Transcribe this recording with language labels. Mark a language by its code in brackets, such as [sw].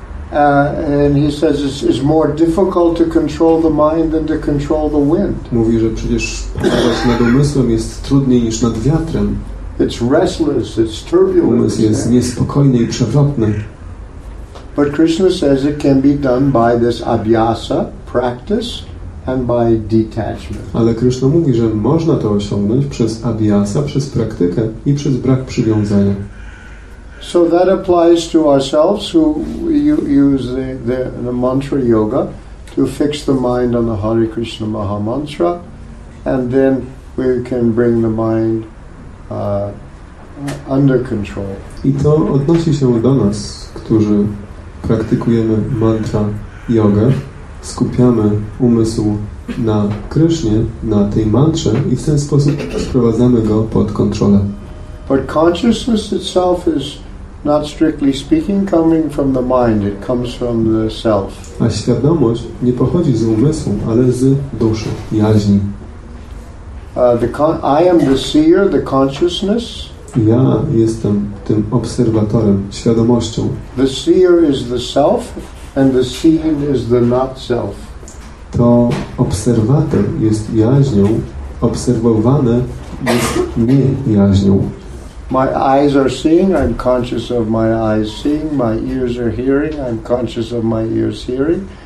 [en] And he says it's more difficult to control the mind than to control the wind. [pl] Mówi, że przecież panować nad umysłem jest trudniej niż nad wiatrem. [en] It's restless, it's turbulent. [pl] Umysł jest niespokojny i przewrotny. [en] But Krishna says it can be done by this abhyasa, practice, and by detachment. [pl] Ale Krishna mówi, że można to osiągnąć przez abhyasa, przez praktykę i przez brak przywiązania. [en] So that applies to ourselves who use the mantra yoga to fix the mind on the Hare Krishna Maha Mantra, and then we can bring the mind under control. [pl] I to odnosi się do nas, którzy praktykujemy mantra yoga, skupiamy umysł na Krishnie, na tej mantrze i w ten sposób sprowadzamy go pod kontrolę. [en] But consciousness itself is not strictly speaking coming from the mind, it comes from the self. [pl] A świadomość nie pochodzi z umysłu, ale z duszy, jaźni. [en] I am the seer, the consciousness. [pl] Ja jestem tym obserwatorem, świadomością. [en] The seer is the self and the seen is the not self. [pl] To obserwator jest jaźnią, obserwowane jest nie jaźnią. [en] My eyes are seeing, I'm conscious of my eyes seeing, my ears are hearing, I'm conscious of my ears hearing.